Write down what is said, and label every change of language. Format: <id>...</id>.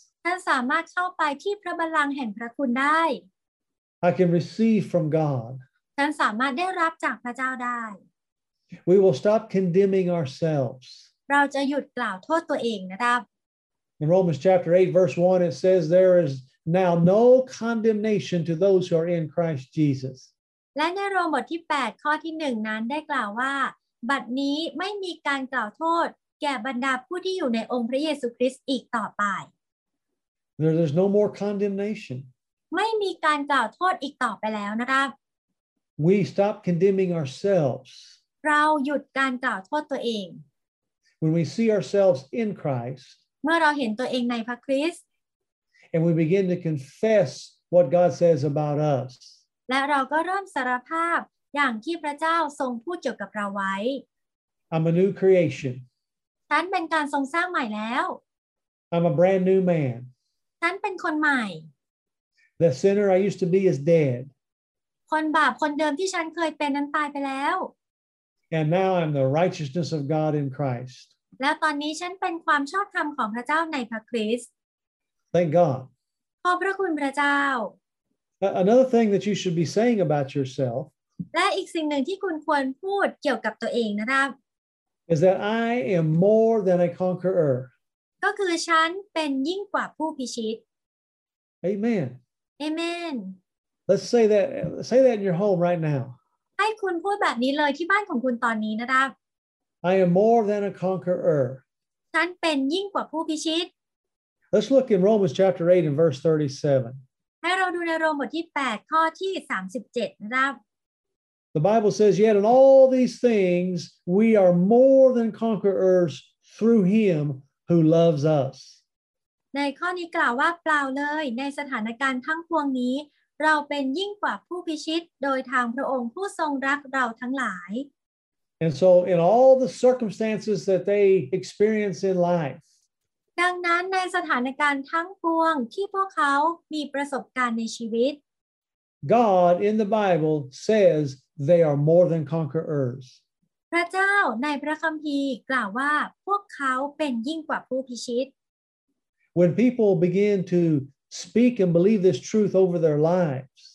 <th>ฉันสามารถเข้าไปที่พระบัลลังก์แห่งพระคุณได้</th> <en>I can receive from God.</en> <th>ฉันสามารถได้รับจากพระเจ้าได้</th> <en>We will stop condemning ourselves.</en> <th>เราจะหยุดกล่าวโทษตัวเองนะครับ</th> <en>In Romans chapter 8 verse 1 it says there is now no condemnation to those who are in Christ Jesus.</en> <th>และในโรมบทที่8ข้อที่1นั้นได้กล่าวว่าบัดนี้ไม่มีการกล่าวโทษแก่บรรดาผู้ที่อยู่ในองค์พระเยซูคริสต์อีกต่อไป</th> <en>There's no more condemnation.</en> <th>ไม่มีการกล่าวโทษอีกต่อไปแล้วนะครับ</th> <en>We stop condemning ourselves.</en> <th>เราหยุดการกล่าวโทษตัวเอง</th> <en>When we see ourselves in Christ.</en> <th>เมื่อเราเห็นตัวเองในพระคริสต์</th> <en>And we begin to confess what God says about us.</en> <th>และเราก็เริ่มสารภาพอย่างที่พระเจ้าทรงพูดเกี่ยวกับเราไว้</th> <en>I'm a new creation.</en> <th>ฉันเป็นการทรงสร้างใหม่แล้ว</th> <en>I'm a brand new man.</en> <th>ฉันเป็นคนใหม่</th> <en>The sinner I used to be is dead.</en> <th>คนบาปคนเดิมที่ฉันเคยเป็นนั้นตายไปแล้ว</th> <en>And now I'm the righteousness of God in Christ.</en> <th>แล้วตอนนี้ฉันเป็นความชอบธรรมของพระเจ้าในพระคริสต์</th> <en>Thank God.</en> <th>ขอบพระคุณพระเจ้า</th> <en>Another thing that you should be saying about yourself.</en> <th>และอีกสิ่งหนึ่งที่คุณควรพูดเกี่ยวกับตัวเองนะครับ</th> <en>Is that I am more than a conqueror.</en> <th>ก็คือฉันเป็นยิ่งกว่าผู้พิชิต</th> <en>Amen. Amen. Let's say that in your home right now.</en> <th>ให้คุณพูดแบบนี้เลยที่บ้านของคุณตอนนี้นะครับ</th> <en>I am more than a conqueror.</en> <th>ฉันเป็นยิ่งกว่าผู้พิชิต</th> <en>Let's look in Romans chapter 8 and verse 37.</en> <th>ให้เราดูในโรมบทที่8ข้อที่37นะครับ</th> <en>The Bible says, yet in all these things, we are more than conquerors through him who loves us.</en> <th>ในข้อนี้กล่าวว่าเปล่าเลยในสถานการณ์ทั้งปวงนี้เราเป็นยิ่งกว่าผู้พิชิตโดยทางพระองค์ผู้ทรงรักเราทั้งหลาย</th> <en>And so in all the circumstances that they experience in life</en> <th>ดังนั้นในสถานการณ์ทั้งปวงที่พวกเขามีประสบการณ์ในชีวิต</th> <en>God in the Bible says they are more than conquerors</en> <th>พระเจ้าในพระคัมภีร์กล่าวว่าพวกเขาเป็นยิ่งกว่าผู้พิชิต</th> <en>When people begin to speak and believe this truth over their lives,</en>